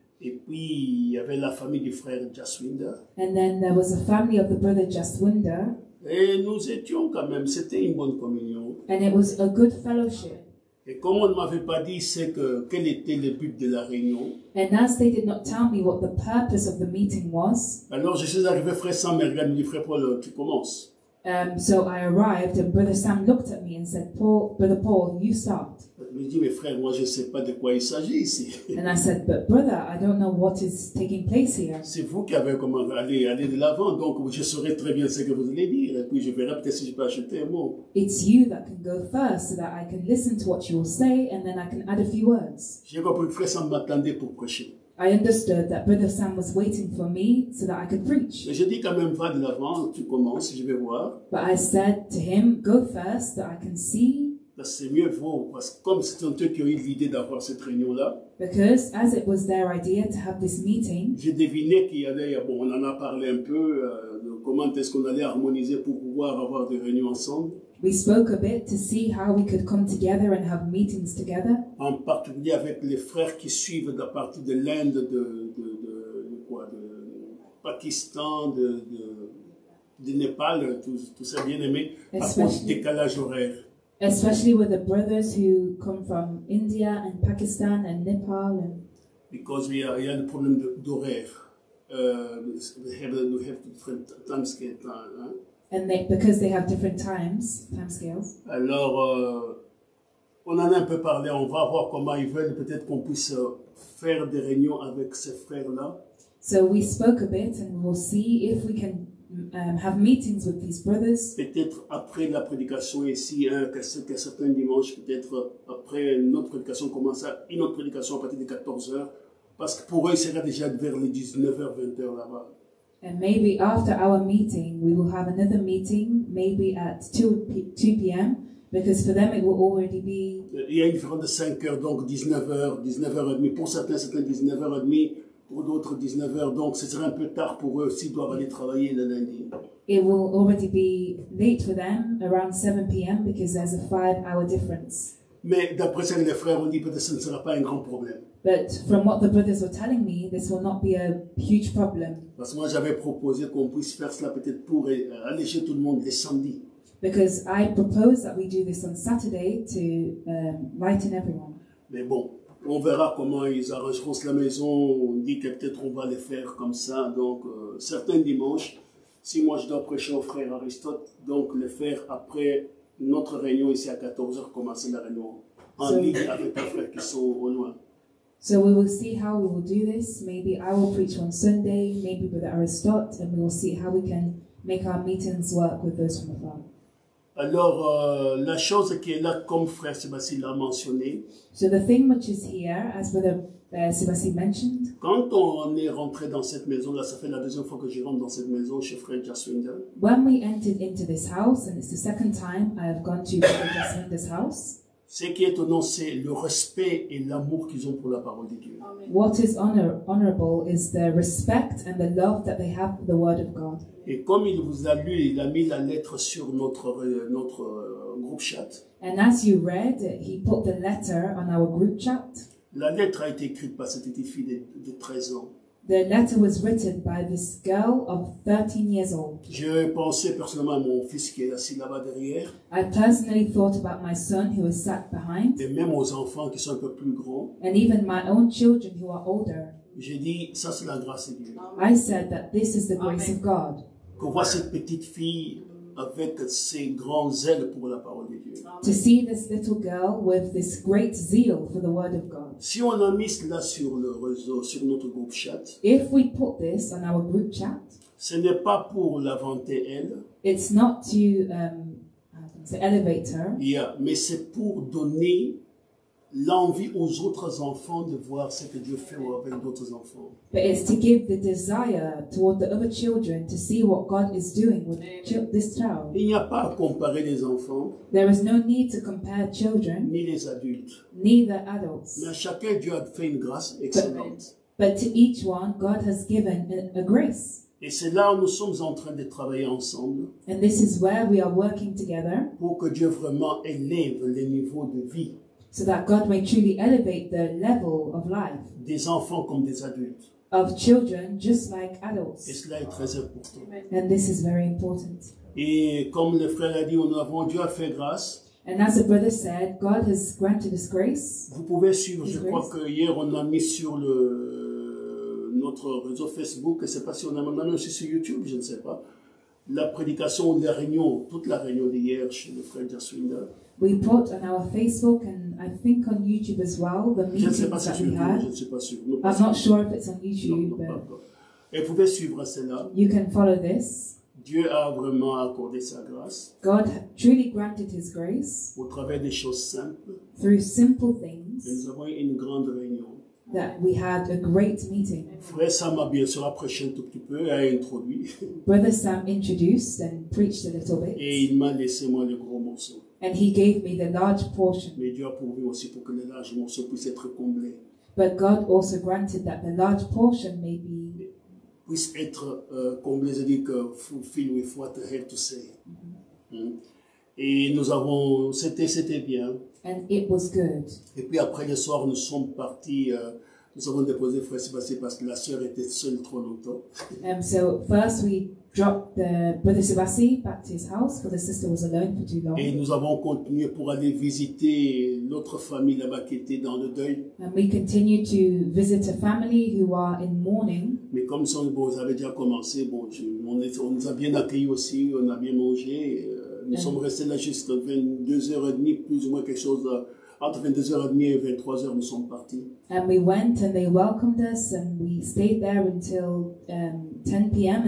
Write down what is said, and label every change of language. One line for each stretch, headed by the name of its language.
French: Et puis il y avait la famille du frère Jaswinder.
English: And then there was a family of the brother Jaswinder.
French: Et nous étions quand même, c'était une bonne communion.
English: And it was a good fellowship.
French: Et comme on ne m'avait pas dit c'est que quel était le but de la réunion.
English: And as they did not tell me what the purpose of the meeting was.
French: Alors je suis arrivé frère Sam, mais regarde, frère Paul, tu commences.
English: So I arrived and Brother Sam looked at me and said, "Paul, Brother Paul, you start."
French: Je dis, mais frère, moi je sais pas de quoi il s'agit ici.
English: And I said, "But brother, I don't know what is taking place here."
French: C'est vous qui avez commencé à aller de l'avant, donc je saurai très bien ce que vous allez dire, et puis je verrai peut-être si je peux ajouter un mot.
English: It's you that can go first, so that I can listen to what you will say, and then I can add a few words.
French: J'ai compris que frère Sam m'attendait pour prêcher.
English: I understood that Brother Sam was waiting for me so that I could preach.
French: Je dis quand même, va de l'avant, tu commences, je vais voir.
English: But I said to him, go first, that I can see.
French: Parce que c'est mieux vous, parce que comme c'est toi qui as eu l'idée d'avoir cette réunion-là.
English: Because as it was their idea to have this meeting.
French: Je devinais qu'il y avait, bon, on en a parlé un peu, de comment est-ce qu'on allait harmoniser pour pouvoir avoir des réunions ensemble.
English: We spoke a bit to see how we could come together and have meetings together.
French: En particulier avec les frères qui suivent de partir de l'Inde, de quoi, de Pakistan, de Népal, tout ça bien aimé, par contre décalage horaire.
English: Especially with the brothers who come from India and Pakistan and Nepal. And because
French: il y a des problèmes d'horaire.
English: We have different time scales.
French: Hein?
English: And because they have different time scales.
French: Alors, on en a un peu parlé. On va voir comment ils veulent. Peut-être qu'on puisse faire des réunions avec ces frères-là.
English: So we spoke a bit, and we'll see if we can have meetings with these brothers.
French: Peut-être après la prédication ici, hein, que certains dimanches, peut-être après une autre prédication, commencer une autre prédication à partir de 14h, parce que pour eux, il sera déjà vers les 19h, 20h là-bas.
English: And maybe after our meeting, we will have another meeting, maybe at 2 p.m. Because for them, it will already be.
French: Il y a une différence de 5h, donc 19h, 19h30. Pour certains 19h30, pour d'autres 19h. Donc, ce sera un peu tard pour eux s'ils doivent aller travailler le lundi.
English: It will already be late for them, around 7 p.m. because there's a 5-hour difference.
French: Mais d'après ce que les frères ont dit, peut-être ce ne sera pas un grand problème.
English: But from what the brothers were telling me, this will not be a huge problem.
French: Parce que moi j'avais proposé qu'on puisse faire cela peut-être pour alléger tout le monde les samedis.
English: Because I propose that we do this on Saturday to lighten everyone.
French: Mais bon, on verra comment ils arrangeront cela. Mais on dit que peut-être on va les faire comme ça. Donc certains dimanches, si moi je dois prêcher au frère Aristote, donc les faire après notre réunion ici à 14h, commencer la réunion en ligne avec les frères qui sont au loin.
English: So we will see how we will do this. Maybe I will preach on Sunday, maybe with Aristote, and we will see how we can make our meetings work with those from afar.
French: Alors, la chose qui est là, comme frère Sébastien l'a mentionné.
English: So the thing which is here, as brother Sébastien mentioned.
French: Quand on est rentré dans cette maison, là, ça fait la deuxième fois que je rentre dans cette maison chez frère Jaswinder.
English: When we entered into this house, and it's the second time I have gone to frère Jaswinder's house.
French: Ce qui est étonnant, c'est le respect et l'amour qu'ils ont pour la parole de Dieu.
English: What is honorable is the respect and the love that they have for the word of God.
French: Et comme il vous a lu, il a mis la lettre sur notre groupe chat.
English: And as you read, he put the letter on our group chat.
French: La lettre a été écrite par cette petite fille de 13 ans.
English: The letter was written by this girl of 13 years old.
French: Je pensais personnellement à mon fils qui est assis là-bas derrière.
English: I personally thought about my son who was sat behind.
French: Et même aux enfants qui sont un peu plus grands.
English: And even my own children who are older.
French: J'ai dit, ça c'est la grâce de Dieu.
English: I said that this is the grace of God.
French: Qu'on voit cette petite fille avec ses grands zèles pour la parole de Dieu.
English: To see this little girl with this great zeal for the word of God.
French: Si on a mis cela sur le réseau, sur notre groupe chat,
English: if we put this on our group chat,
French: ce n'est pas pour la vanter elle.
English: It's not to, to elevate her.
French: Yeah, mais c'est pour donner l'envie aux autres enfants de voir ce que Dieu fait avec d'autres enfants.
English: But it's to give the desire toward the other children to see what God is doing with this child.
French: Il n'y a pas à comparer les enfants.
English: There is no need to compare children.
French: Ni les adultes.
English: Neither adults.
French: Mais à chacun Dieu a fait une grâce excellente.
English: But to each one God has given a grace.
French: Et c'est là où nous sommes en train de travailler ensemble.
English: And this is where we are working together.
French: Pour que Dieu vraiment élève les niveaux de vie.
English: So that God may truly elevate the level of life.
French: Des enfants comme des adultes.
English: Of children just like adults.
French: Et cela est très important.
English: And this is very important.
French: Et comme le frère a dit, nous avons Dieu a fait grâce.
English: And as the brother said, God has granted us grace.
French: Vous pouvez suivre, je crois que hier on a mis sur le notre réseau Facebook, je ne sais pas si on a maintenant aussi sur YouTube, je ne sais pas, la prédication, la réunion, toute la réunion d'hier chez le frère Jaswinder.
English: We put on our Facebook and I think on YouTube as well the meetings that we YouTube, had.
French: Je ne sais pas sur
English: YouTube. I'm not sure if it's on YouTube.
French: Non, non,
English: but
French: et vous pouvez suivre cela.
English: You can follow this.
French: Dieu a vraiment accordé sa grâce.
English: God truly granted His grace.
French: Au travers des choses simples.
English: Through simple things.
French: Et nous avons une grande réunion.
English: That we had a great meeting.
French: Frère Sam a bien sûr approché un tout petit peu et a introduit.
English: Brother Sam introduced and preached a little bit.
French: Et il m'a laissé moi le gros morceau.
English: And he gave me the large portion.
French: Mais Dieu a pourvu aussi pour que le large morceau puisse être comblé.
English: But God also granted that the large portion may be
French: puisse être comblé, c'est-à-dire que
English: fulfilled with what I had to say. Mm-hmm. Mm.
French: Et nous avons, c'était bien.
English: And it was good.
French: Et puis après le soir, nous sommes partis. Nous avons déposé Frère Sébastien parce que la sœur était seule trop longtemps.
English: So first we dropped the Brother Sébastien back to his house because the sister was alone for too long.
French: Et nous avons continué pour aller visiter l'autre famille là-bas qui était dans le deuil.
English: And we continued to visit a family who are in mourning.
French: Mais comme ça, bon, ça avait déjà commencé, bon, on nous a bien accueillis aussi, on a bien mangé. Nous sommes restés là juste 22h30, plus ou moins quelque chose là. Entre 22h30 et 23h, nous sommes partis.
English: And we went and they welcomed us and we stayed there until 10 p.m.